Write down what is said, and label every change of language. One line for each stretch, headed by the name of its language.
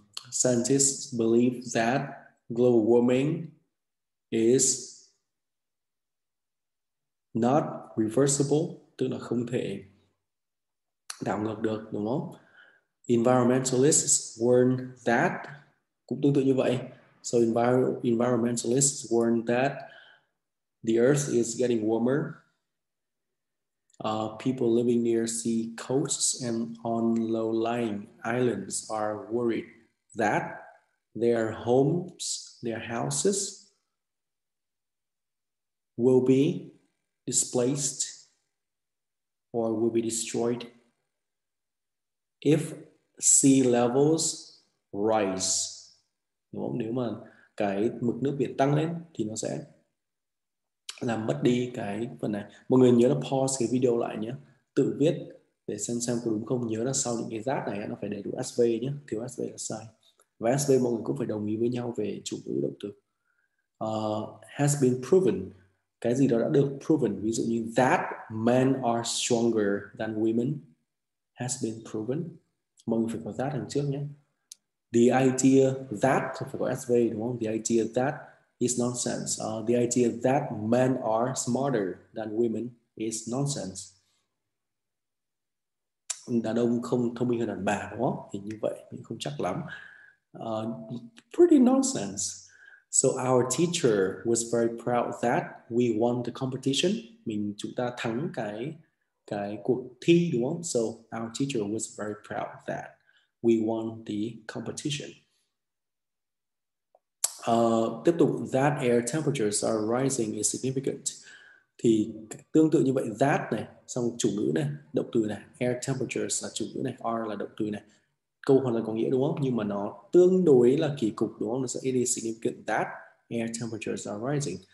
English: Scientists believe that global warming is not reversible,
Vietnamese: tức là không thể đảo ngược được, đúng không?
English: Environmentalists warn that,
Vietnamese: cũng tương tự như vậy.
English: So environmentalists warn that the earth is getting warmer. People living near sea coasts and on low-lying islands are worried that their homes, their houses will be displaced or will be destroyed if sea levels rise.
Vietnamese: Đúng không? Nếu mà cái mực nước biển tăng lên thì nó sẽ làm mất đi cái phần này. Mọi người nhớ là pause cái video lại nhé, tự viết để xem có đúng không. Nhớ là sau những cái rác này nó phải đầy đủ SV nhé, thiếu SV là sai. Và SV mọi người cũng phải đồng ý với nhau về chủ ngữ động từ.
English: Has been proven,
Vietnamese: cái gì đó đã được proven, ví dụ như
English: that men are stronger than women has been proven.
Vietnamese: Mọi người phải có that đằng trước nhé.
English: The idea that,
Vietnamese: phải có SV đúng không?
English: The idea that is nonsense. The idea that men are smarter than women is nonsense.
Vietnamese: Đàn ông không thông minh hơn đàn bà đúng không? Thì như vậy, mình không chắc lắm.
English: Pretty nonsense. So our teacher was very proud that we won the competition.
Vietnamese: Chúng ta thắng cái cuộc thi đúng không?
English: So our teacher was very proud that we won the competition.
Vietnamese: Tiếp tục,
English: that air temperatures are rising is significant.
Vietnamese: Thì tương tự như vậy, that này, xong chủ ngữ này, động từ này, air temperatures là chủ ngữ này, are là động từ này. Câu hoàn toàn có nghĩa đúng không? Nhưng mà nó tương đối là kỳ cục đúng không? Nó sẽ
English: it is significant that air temperatures are rising.